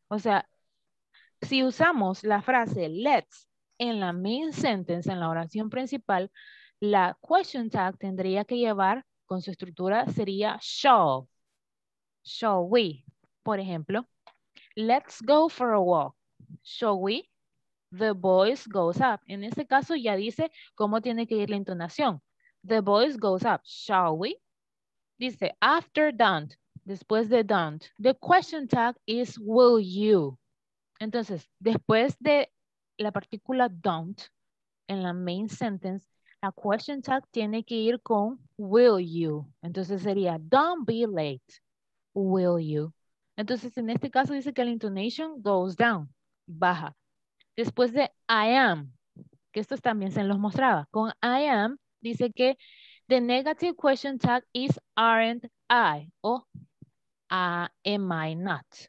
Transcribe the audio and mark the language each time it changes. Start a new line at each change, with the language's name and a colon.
Spanish: O sea, si usamos la frase let's en la main sentence, en la oración principal, la question tag tendría que llevar con su estructura, sería
English: shall we.
Spanish: Por ejemplo,
English: let's go for a walk. Shall we? The voice goes up.
Spanish: En este caso ya dice cómo tiene que ir la entonación.
English: The voice goes up. Shall we? Dice, after don't,
Spanish: después de don't,
English: the question tag is will you.
Spanish: Entonces, después de la partícula don't en la main sentence, la question tag tiene que ir con will you. Entonces sería,
English: don't be late, will you.
Spanish: Entonces en este caso dice que la
English: intonation goes down,
Spanish: baja. Después de I am, que esto también se los mostraba. Con
English: I am
Spanish: dice que
English: the negative question tag is aren't I o am I not.